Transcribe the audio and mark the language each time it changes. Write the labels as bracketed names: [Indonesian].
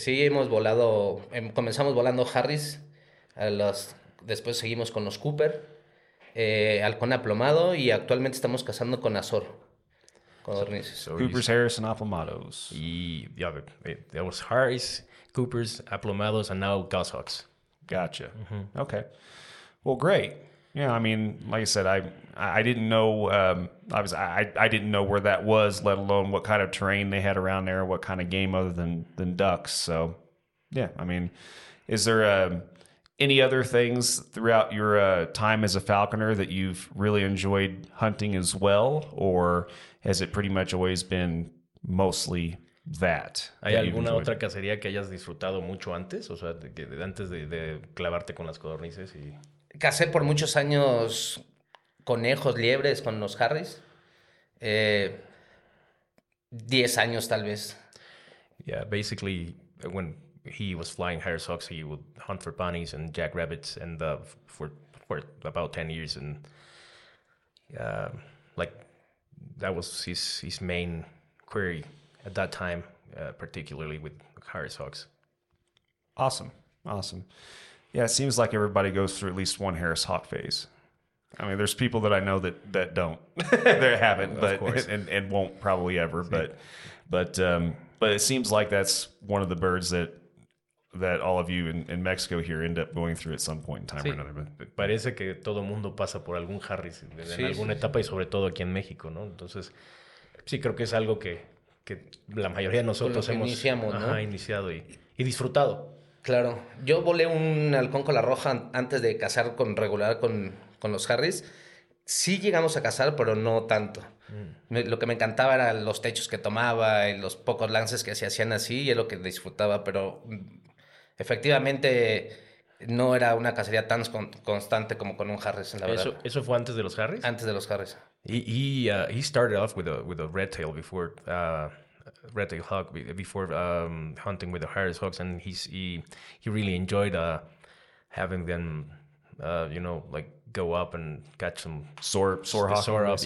[Spanish] Sí, hemos volado, comenzamos volando Harris, después seguimos con los Cooper. Halcón aplomado y actualmente estamos cazando con azor. [English] Cooper's, Harris, and aplomados. Y yeah, there was Harris, Cooper's, aplomados, and now goshawks. Gotcha. Mm-hmm. Okay. Well, great. Yeah, I mean, like I said, I didn't know. I didn't know where that was, let alone what kind of terrain they had around there, what kind of game other than ducks. So, yeah, I mean, is there any other things throughout your time as a falconer that you've really enjoyed hunting as well, or has it pretty much always been mostly that? [Spanish] ¿Hay alguna otra cacería que hayas disfrutado mucho antes, o sea, antes de clavarte con las codornices y? Cacé por muchos años conejos, liebres con los Harris. 10 años, tal vez. [English] Yeah, basically, when he was flying Harris hawks, he would hunt for bunnies and jackrabbits, and for about 10 years, and like that was his main query at that time, particularly with Harris hawks. Awesome. Yeah, it seems like everybody goes through at least one Harris hawk phase. I mean, there's people that I know that don't, they haven't, but and won't probably ever. See? But it seems like that's one of the birds that all of you in Mexico here end up going through at some point in time or another. But [Spanish] parece que todo mundo pasa por algún Harris en alguna etapa y sobre todo aquí en México, ¿no? Entonces sí creo que es algo que la mayoría de nosotros hemos iniciado y disfrutado. Claro, yo volé un halcón cola roja antes de cazar con regular con los Harris. Sí llegamos a cazar, pero no tanto. Lo que me encantaba eran los techos que tomaba y los pocos lances que se hacían así, y es lo que disfrutaba, pero efectivamente no era una cacería tan constante como con un Harris, la verdad. ¿Eso fue antes de los Harris? Antes de los Harris. [English] He started off with a red tail before red-tail hawk before hunting with the Harris hawks, and he really enjoyed having them you know, like go up and catch some sore hawk,